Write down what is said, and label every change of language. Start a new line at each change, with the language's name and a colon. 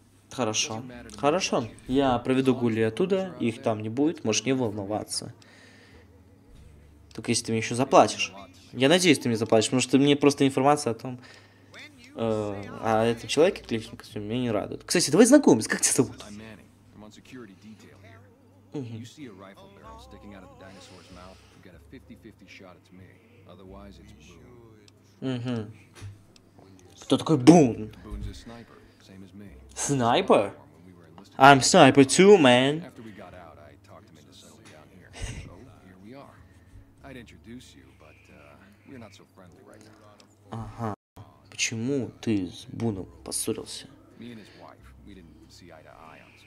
Russian: Хорошо. Хорошо. Я проведу Гули оттуда, их там не будет, можешь не волноваться. Только если ты мне еще заплатишь. Я надеюсь, ты мне заплатишь, потому что мне просто информация о том... о этом человеке, клетчатом костюме, меня не радует. Кстати, давай знакомимся, как тебя зовут?
English: Security detail here. You see a rifle barrel sticking out of the dinosaur's mouth, you get a 50-50 shot at me. Otherwise, it's Boone.
Russian: Кто такой
English: Boone? Boone's a sniper, same as me. Sniper? I'm sniper too, man. After we got out, I talked him into settling down here. So, here we are. I'd introduce you, but we're not so friendly right now.
Russian: Ага. Почему ты с Буном поссорился?
English: Me and his wife, we didn't see eye to eye.